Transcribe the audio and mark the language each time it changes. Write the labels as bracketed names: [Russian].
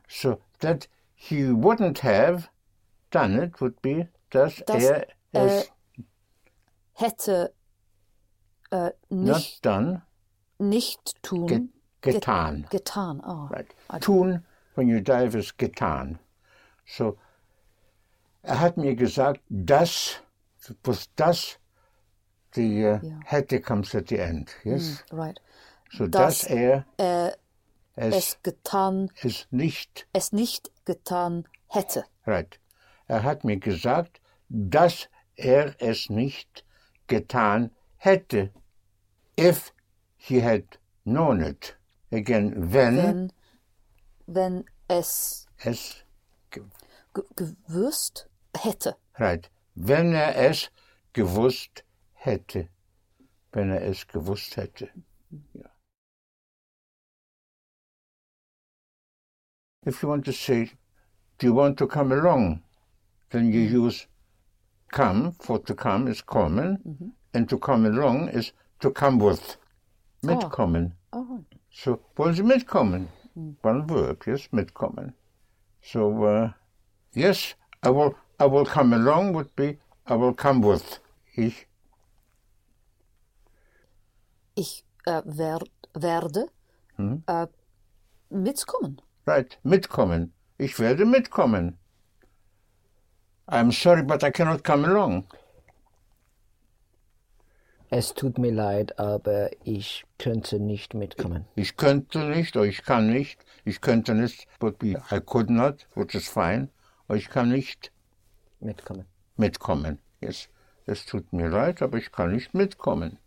[English] So that he wouldn't have done it would be getan. Oh, right. Tun, when you dive, is getan. [German] So hat mir gesagt, hätte [English] comes at the end, yes? Mm, right. [German] So, dass er es getan, es nicht getan hätte. [English] Right. [German] Er hat mir gesagt, dass er es nicht getan hätte, [English] if he had known it. [German] Again, wenn es gewusst hätte. [English] Right. [German] Wenn er es gewusst hätte. Hätte, wenn er es gewusst hätte. Ja. [English] If you want to say, do you want to come along? Then you use come, for to come is kommen, mm-hmm. And to come along is to come with, mitkommen. Oh. Oh. [German] So, wollen Sie mitkommen? [English] Mm. One verb, yes, mitkommen. So, yes, I will come along would be, I will come with. [German] Mitkommen. Right, mitkommen. Ich werde mitkommen. [English] I'm sorry, but I cannot come along. [German] Es tut mir leid, aber ich könnte nicht mitkommen. Ich könnte nicht, oder ich kann nicht. Ich könnte nicht, [English] but I could not, which is fine. [German] Oder ich kann nicht mitkommen. Mitkommen, yes. Es tut mir leid, aber ich kann nicht mitkommen.